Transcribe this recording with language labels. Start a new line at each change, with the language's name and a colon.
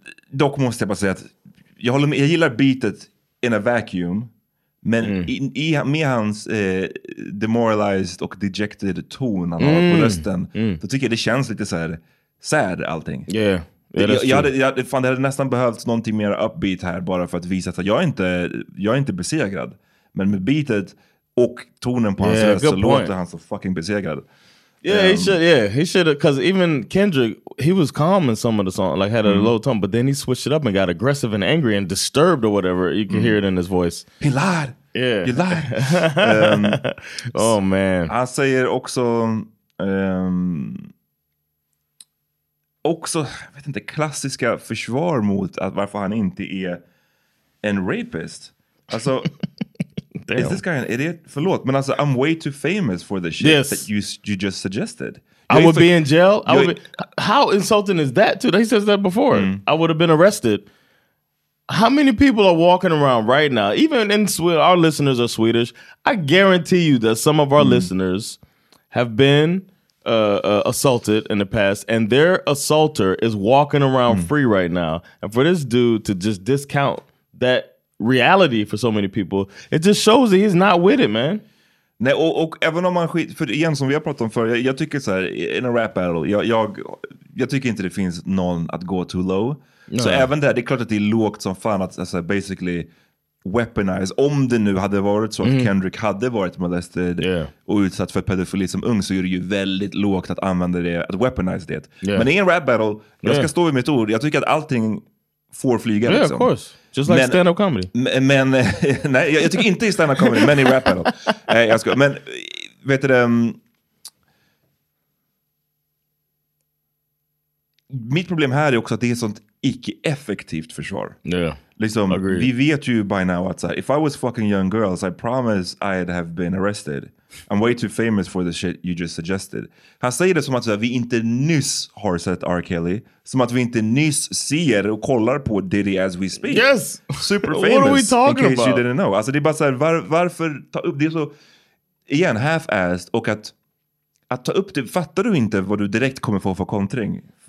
Swedish: Dock måste jag bara säga att jag gillar beatet.
English: In a vacuum,
Swedish: men med hans demoralized och dejected ton han har på rösten, då tycker jag det känns lite så här sad allting. Det hade nästan behövt någonting mer upbeat här, bara för att visa att jag är inte besegrad. Men med beatet och tonen på hans röst så låter han så fucking besegrad.
English: He should, because even Kendrick, he was calm in some of the songs, like had a low tone, but then he switched it up and got aggressive and angry and disturbed or whatever. You can hear it in his voice. He lied. Yeah. You lied. oh, man.
Swedish: Han säger också, jag vet inte, klassiska försvar mot att varför han inte är en rapist. Alltså...
English: Damn. Is this guy an idiot?
Swedish: Förlåt, men alltså,
English: I'm way too famous for the shit that you just suggested. I would be in jail. How insulting is that, too? He says that before. Mm. I would have been arrested. How many people are walking around right now? Even in our listeners are Swedish. I guarantee you that some of our listeners have been assaulted in the past, and their assaulter is walking around free right now. And for this dude to just discount that reality for so many people, it just shows that he's not with it, man.
Swedish: Nej, och även om man skit, för igen som vi har pratat om för, jag tycker så här,
English: in a rap battle,
Swedish: jag tycker inte det finns någon att gå
English: too low. No.
Swedish: Så även där, det är klart att det är lågt som fan att alltså,
English: basically weaponize,
Swedish: om det nu hade varit så att Kendrick hade varit molested och utsatt för pedofili som ung, så är det ju väldigt lågt att använda det, att weaponize det.
English: Yeah.
Swedish: Men i en rap battle, jag ska stå vid mitt ord, jag tycker att allting får flyga liksom.
English: Yeah, of course. Just like stand-up comedy.
Swedish: Men nej, jag tycker inte i stand-up comedy, men i rap battle. Men vet du, mitt problem här är också att det är sånt icke-effektivt försvar.
English: Yeah.
Swedish: Liksom, vi vet ju
English: by now
Swedish: att
English: if I was fucking young girls, I promise I'd have been arrested. I'm way too famous for the shit you just suggested.
Swedish: Han säger det som att vi inte nyss har sett R. Kelly. Som att vi inte nyss ser och kollar på Diddy
English: as we speak. Yes! Super famous. What are we talking about? In case about? You didn't know.
Swedish: Alltså det är bara såhär, varför ta upp det så... Igen, half-assed. Och att ta upp det, fattar du inte vad du direkt kommer få för kontring?